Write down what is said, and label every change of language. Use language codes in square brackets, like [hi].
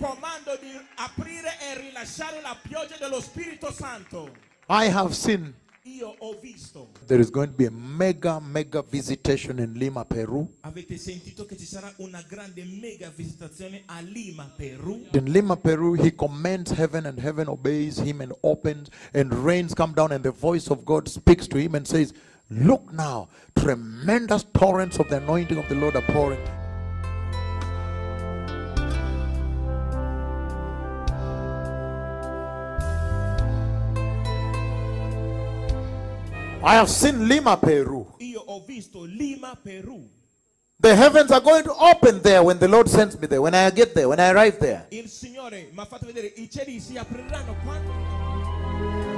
[it] Aprire e rilasciare la pioggia dello Spirito Santo. [en] I have seen. [it] Io ho visto. [en] There is going to be a mega visitation in Lima, Peru. [it] Avete sentito che ci sarà una grande mega visitazione a Lima, Peru. [en] In Lima, Peru, he commands heaven and heaven obeys him and opens and rains come down and the voice of God speaks to him and says, look now, tremendous torrents of the anointing of the Lord are pouring. I have seen Lima, Peru. [it] Io ho visto Lima, Peru. [en] The heavens are going to open there when the Lord sends me there, when I get there, when I arrive there. [it] Il Signore mi ha fatto vedere I cieli si apriranno quando.